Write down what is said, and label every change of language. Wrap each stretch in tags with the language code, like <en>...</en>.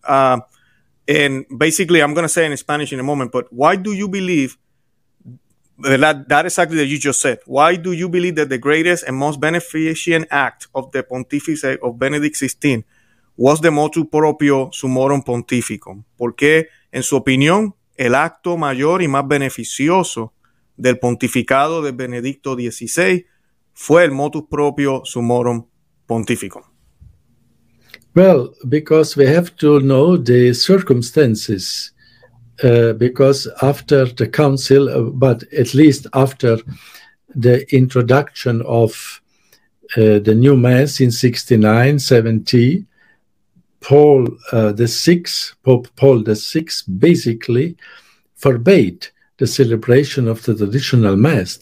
<en>And basically, I'm going to say in Spanish in a moment, but why do you believe that exactly that you just said? Why do you believe that the greatest and most beneficent act of the pontifice of Benedict XVI was the motu proprio Summorum Pontificum?</en> <es>¿Por qué, en su opinión, el acto mayor y más beneficioso del pontificado de Benedicto XVI fue el motu proprio Summorum Pontificum?</es> <en>Well, because we have to know the circumstances, because after the council, but at least after the introduction of the new Mass in 69-70, Pope Paul VI basically forbade the celebration of the traditional Mass.</en>